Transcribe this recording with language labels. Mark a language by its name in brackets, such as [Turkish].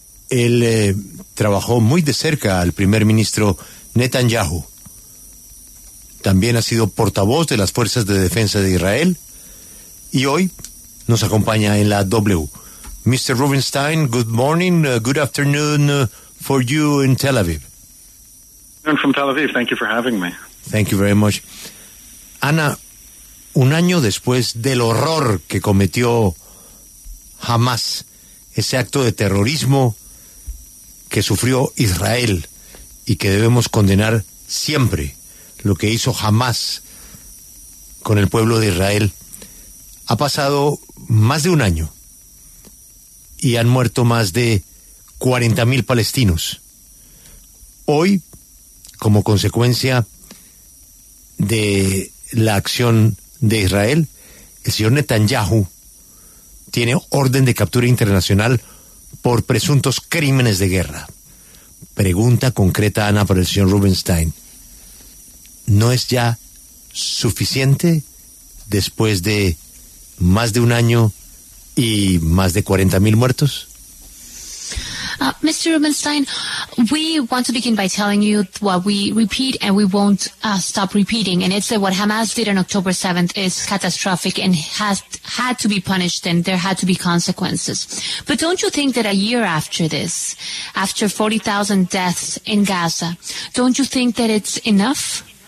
[Spanish] Él trabajó muy de cerca al primer ministro Netanyahu. También ha sido portavoz de las Fuerzas de Defensa de Israel. Y hoy nos acompaña en la W. [English] Mr. Rubinstein, good morning, good afternoon for you in Tel Aviv. I'm from Tel Aviv. Thank you for having me. Thank you very much. [Spanish] Ana, un año después del horror que cometió Hamas, ese acto de terrorismo que sufrió Israel y que debemos condenar siempre, lo que hizo Hamas con el pueblo de Israel, ha pasado más de un año y han muerto más de 40.000 palestinos. Hoy, como consecuencia de la acción de Israel, el señor Netanyahu tiene orden de captura internacional por presuntos crímenes de guerra. Pregunta concreta, Ana, para el señor Rubinstein. ¿No es ya suficiente después de más de un año y más de 40.000 muertos? [English] Mr. Rubinstein, we want to begin by telling you what we repeat and we won't stop repeating. And it's that what Hamas did on October 7th is catastrophic and had to be punished and there had to be consequences. But don't you think that a year after this, after 40,000 deaths in Gaza, don't you think that it's enough?